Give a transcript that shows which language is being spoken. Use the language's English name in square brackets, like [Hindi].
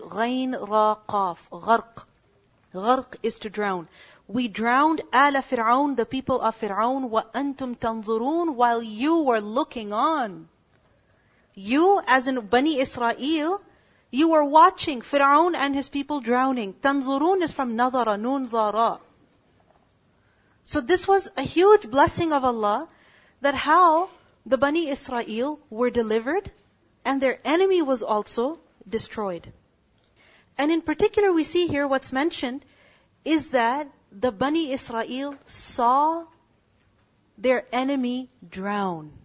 [Arabic] غَيْن رَاقَافْ, غَرْق. [English] غَرْق is to drown. We drowned آلَ فِرْعَوْن, the people of Fir'aun. [Arabic] وَأَنْتُمْ تَنْظُرُونَ, [English] while you were looking on. You, as in Bani Israel, you were watching Fir'aun and his people drowning. تَنْظُرُونَ is from نَظَرَ, نُون ظَرَى. So this was a huge blessing of Allah, that how the Bani Israel were delivered and their enemy was also destroyed. And in particular, we see here what's mentioned is that the Bani Israel saw their enemy drown.